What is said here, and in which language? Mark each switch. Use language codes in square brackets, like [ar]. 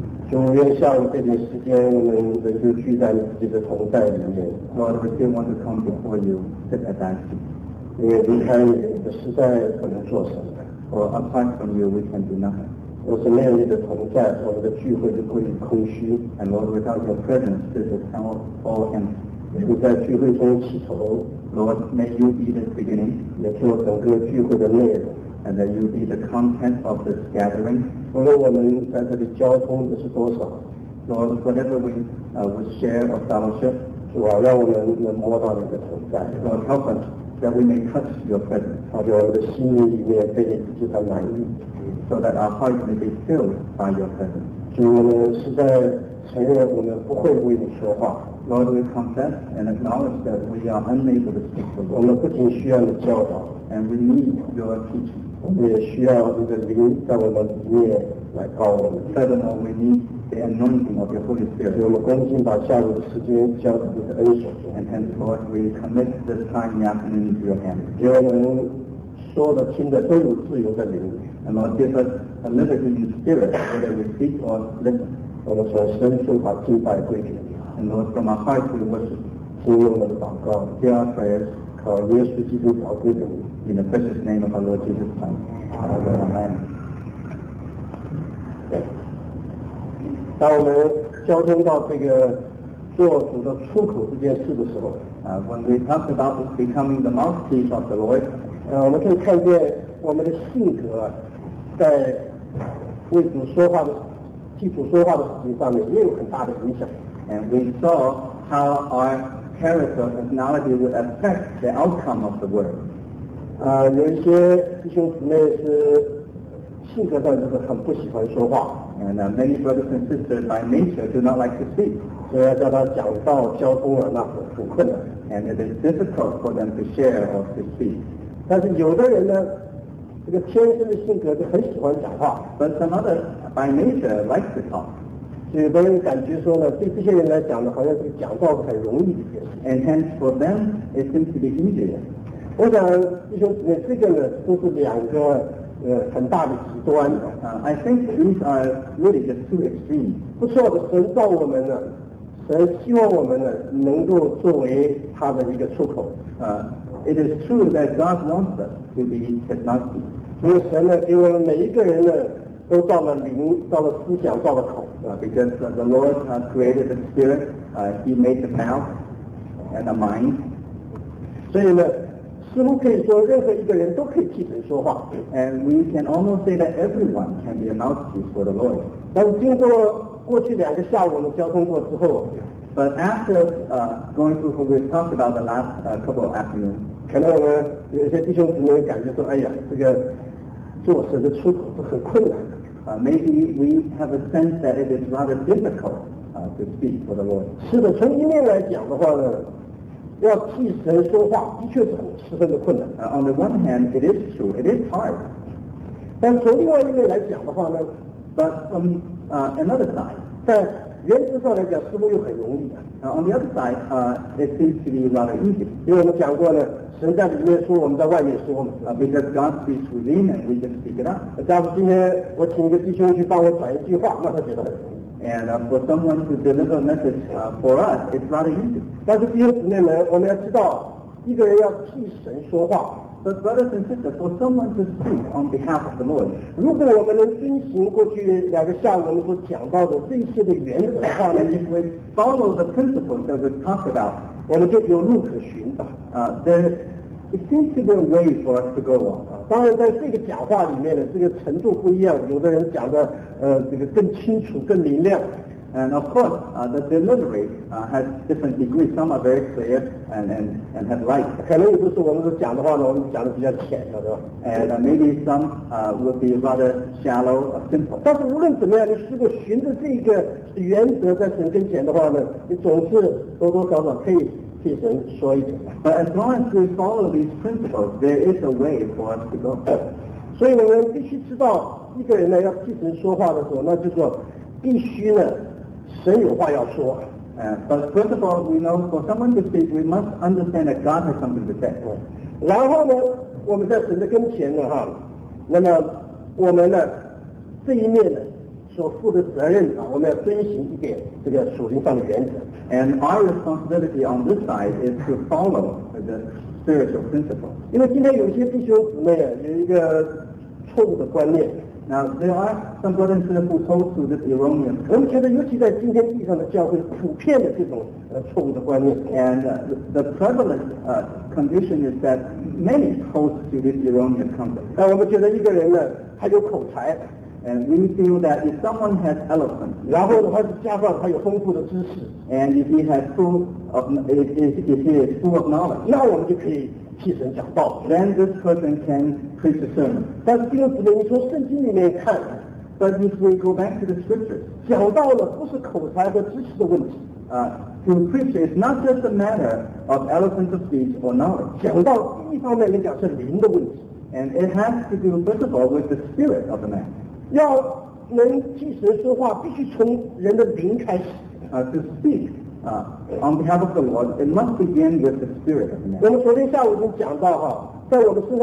[zh] 主，愿下午这点时间，我们仍旧聚在你自己的同在里面。 [en] Lord, we still want to come before you, sit at that seat. [zh] 因为离开你，我实在不能做什么。 [en] Or apart from you, we can do nothing. [zh] 我是没有你的同在，我们的聚会就会空虚。 [en] And Lord, without your presence, this is all empty. [zh] 你在聚会中起头 [en] ，Lord, may you be the beginning， [zh] 也就整个聚会的内容 [en] ，and that you be the content of this gathering。 [zh] 无论我们在这里交通的是多少 [en] ，Lord, whatever we share of fellowship， [zh] 主啊，让我们能摸到你的同在 [en] ，Lord, help us that we may touch your presence， [zh] 好叫我们的心灵里面被你自己的满意 [en] ，so that our hearts may be filled by your presence。 [zh] 主，我们实在承认我们不会为你说话。 [en] Lord, we confess and acknowledge that we are unable to speak for you. [zh] 我们不仅需要你教导 [en] and we need your teaching. [zh] 我们也需要你的灵在我们里面来告我们。 [en] Furthermore, we need the anointing of your Holy Spirit. [zh] 我们恭敬把下午的时间交给你的恩手。 [en] And hence, Lord, we commit this time in the afternoon into your hands. [zh] 因为我们说的、听的都有自由的灵。 [en] And Lord, give us a liberty in spirit, whether we speak or listen. [zh] 我们从深处把敬拜归给你。 [en] And Lord, from our heart we worship. [zh] 听我们的祷告 [en] Hear our prayers. [zh] 靠耶稣基督祷告的 [en] In the precious name of our Lord Jesus Christ. Amen. Amen. [zh] 当我们交通到这个做主的出口这件事的时候 [en] When we talk about becoming the mouthpiece of the Lord, [zh] 我们可以看见我们的性格在为主说话的替主说话的事情上面也有很大的影响 [en] And we saw how our character and personality would affect the outcome of the word. [zh] 有一些弟兄姊妹是性格上就是很不喜欢说话 [en] And many brothers and sisters by nature do not like to speak. [zh] 所以要叫他讲道交通啊，那很困难 [en] And it is difficult for them to share or to speak. [zh] 但是有的人呢，这个天生的性格就很喜欢讲话 [en] But some others by nature like to talk. [zh] 许多人感觉说呢，对这些人来讲呢，好像这个讲道是很容易的一件事。 [en] And hence for them, it seems to be easier. [zh] 我想弟兄姊妹，这个呢都是两个很大的极端。 [en] I think these are really just two extremes. [zh] 不错的，神造我们呢，神希望我们呢能够作为他的一个出口。 [en] It is true that God wants us to be His mouthpiece. [zh] 所以神呢给我们每一个人呢。都造了灵，造了思想，造了口。 [en] Because the Lord created the spirit, He made the mouth and the mind. [zh] 所以呢，似乎可以说任何一个人都可以替神说话。 [en] And we can almost say that everyone can be a mouthpiece for the Lord. [zh] 但是经过过去两个下午我们交通过之后 [en] ，But after going through what we talked about the last couple of afternoons, [zh] 可能我们有些弟兄姊妹感觉说，哎呀，这个。做神的出口是很困难的。 [en] Maybe we have a sense that it is rather difficult to speak for the Lord. [zh] 是的，从一面来讲的话呢，要替神说话的确是十分的困难。 [en] On the one hand, it is true, it is hard. [zh] 但从另外一面来讲的话呢 [en] ，But from another side, [zh] 在原则上来讲，似乎又很容易的。 [en] On the other side, it seems to be rather easy. [zh] 因为我们讲过呢。神在里面说，我们在外面说嘛。 [en] Because God speaks within and we can speak it up. [zh] 假如今天我请一个弟兄去帮我转一句话，那他觉得很容易。 [en] And for someone to deliver a message for us, it's rather easy. [zh] 但是弟兄姊妹们，我们要知道，一个人要替神说话。 [en] But brothers and sisters, for someone to speak on behalf of the Lord. [zh] 如果我们能遵循过去两个下午我们所讲到的这些的原则的话呢， [en] if we follow the principles that we talked about. [zh] 我们就有路可寻吧。 [en] It seems to be a way for us to go on. [zh] 当然，在这个讲话里面呢，这个程度不一样。有的人讲的，这个更清楚、更明亮。 [en] And of course, the delivery has different degrees. Some are very clear and have light. [zh] 可能有的是我们讲的话呢，我们讲的比较浅了，对吧 [en] ？And maybe some will be rather shallow or simple. [zh] 但是无论怎么样，你是否循着这个原则在神跟前的话呢，你总是多多少少可以替神说一点。 [en] But as long as we follow these principles, there is a way for us to go. [zh] 所以我们必须知道，一个人呢要替神说话的时候，那就说必须呢。神有话要说 [en] But first of all, we know for someone to speak, we must understand that God has something to say. [zh] 然后呢，我们在神的跟前呢，哈，那么我们呢这一面呢所负的责任啊，我们要遵循一点这个属灵上的原则。 [en] And our responsibility on this side is to follow the spiritual principle. [zh] 因为今天有些弟兄姊妹有一个错误的观念。 [en] Now there are some brothers and sisters who hold to this erroneous. [zh] 我们觉得，尤其在今天地上的教会普遍的这种错误的观念。 [en] And the prevalent condition is that many hold to this erroneous concept. [zh] 我们觉得一个人呢，他有口才。 [en] And we feel that if someone has eloquence, [zh] 然后的话，加上他有丰富的知识。 [en] And if he has full of, if he is full of knowledge, [zh] 那我们就可以。 [en] Then this person can preach a sermon. [zh] 但是这个只能从圣经里面看, [en] but if we go back to the scriptures, [zh] 讲道了不是口才和知识的问题, [en] to preach is not just a matter of eloquence of speech or knowledge. And it has to do, first of all, with the spirit of the man. [zh] 要能替神说话, [en] to speak. On behalf of the Lord, it must begin with the spirit of man.